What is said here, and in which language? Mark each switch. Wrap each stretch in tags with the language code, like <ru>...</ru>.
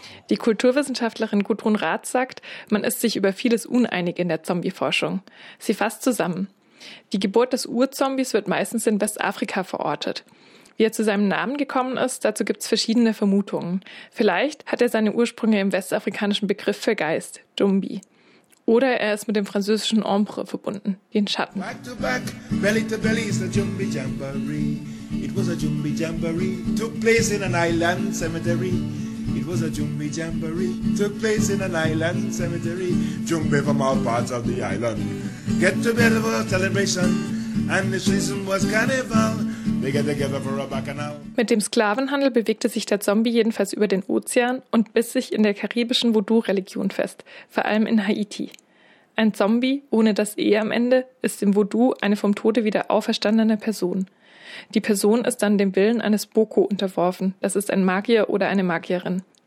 <de>Die Kulturwissenschaftlerin Gudrun Rath sagt, man ist sich über vieles uneinig in der Zombie-Forschung. Sie fasst zusammen. Die Geburt des Urzombies wird meistens in Westafrika verortet. Wie er zu seinem Namen gekommen ist, dazu gibt es verschiedene Vermutungen. Vielleicht hat er seine Ursprünge im westafrikanischen Begriff für Geist, Dumbi. Oder er ist mit dem französischen Ombre verbunden, den Schatten.</de> <en>Back to back, belly to belly is a Jumbi Jamboree. It was a Jumbi Jamboree, took place in an island cemetery. It was a Jumbi Jamboree, took place in an island cemetery. Jumbi from all parts of the island get together for a celebration. And the season was carnival. They get together for a bacchanal.</en> <de>Mit dem Sklavenhandel bewegte sich der Zombie jedenfalls über den Ozean und biss sich in der karibischen Voodoo-Religion fest, vor allem in Haiti. Ein Zombie, ohne das E am Ende, ist im Voodoo eine vom Tode wieder auferstandene Person. Die Person ist dann dem Willen eines Boko unterworfen, das ist ein Magier oder eine Magierin.</de>